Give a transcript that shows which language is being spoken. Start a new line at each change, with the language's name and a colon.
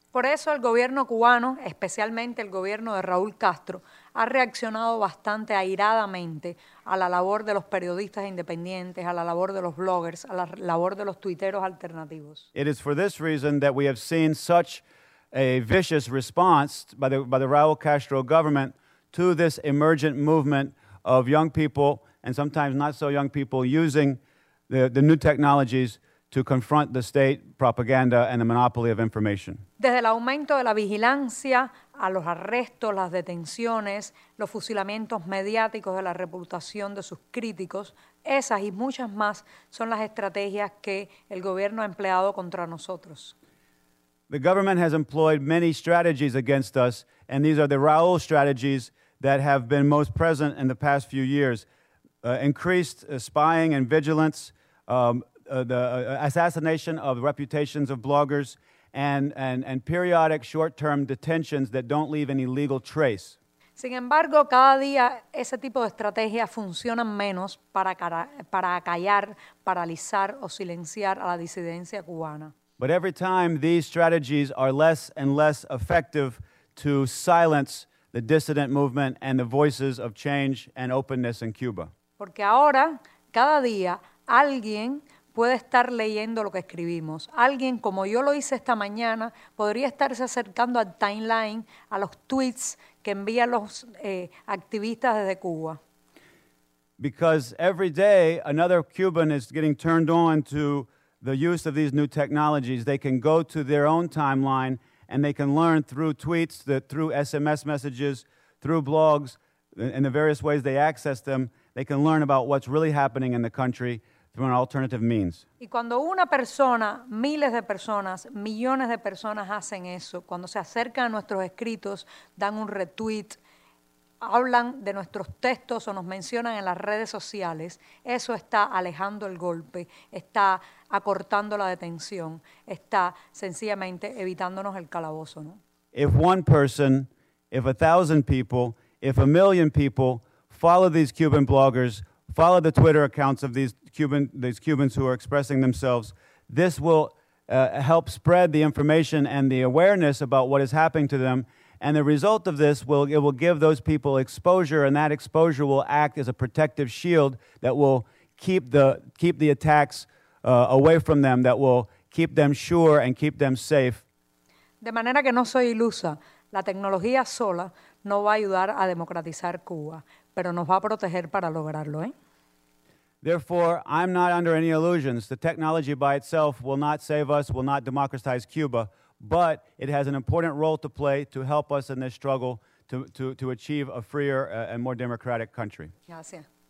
Spanish: Por eso el gobierno cubano, especialmente el gobierno de Raúl Castro, ha reaccionado bastante airadamente a la labor de los periodistas independientes, a la labor de los bloggers, a la labor de los tuiteros alternativos.
English: It is for this reason that we have seen such a vicious response by the Raúl Castro government to this emergent movement of young people, and sometimes not so young people, using the new technologies to confront the state propaganda and the monopoly of information.
Spanish: Desde el aumento de la vigilancia a los arrestos, las detenciones, los fusilamientos mediáticos de la reputación de sus críticos, esas y muchas más son las estrategias que el gobierno ha empleado contra nosotros.
English: The government has employed many strategies against us, and these are the Raúl strategies that have been most present in the past few years. Increased spying and vigilance, assassination of reputations of bloggers, and periodic short-term detentions that don't leave any legal trace.
Spanish: Sin embargo, cada día ese tipo de estrategias funcionan menos para acallar, paralizar o silenciar a la disidencia cubana.
English: But every time these strategies are less and less effective to silence the dissident movement and the voices of change and openness in Cuba.
Spanish: Porque ahora, cada día, alguien puede estar leyendo lo que escribimos. Alguien, como yo lo hice esta mañana, podría estarse acercando al timeline, a los tweets que envían los activistas desde Cuba.
English: Because every day another Cuban is getting turned on to the use of these new technologies. They can go to their own timeline and they can learn through tweets, through SMS messages, through blogs, and the various ways they access them, they can learn about what's really happening in the country through an alternative means.
Spanish: Y cuando una persona, miles de personas, millones de personas hacen eso, cuando se acercan a nuestros escritos, dan un retweet, hablan de nuestros textos o nos mencionan en las redes sociales, eso está alejando el golpe, está acortando la detención, está sencillamente evitándonos el calabozo, ¿no?
English: If one person, if a thousand people, if a million people follow these Cuban bloggers, follow the Twitter accounts of these Cubans who are expressing themselves, this will help spread the information and the awareness about what is happening to them. And the result of this, it will give those people exposure, and that exposure will act as a protective shield that will keep the attacks away from them, that will keep them sure and keep them safe.
Spanish: De manera que no soy ilusa, la tecnología sola no va a ayudar a democratizar Cuba, pero nos va a proteger para lograrlo, ¿eh?
English: Therefore, I'm not under any illusions. The technology by itself will not save us, will not democratize Cuba. But it has an important role to play to help us in this struggle to achieve a freer and more democratic country.
Spanish: Gracias.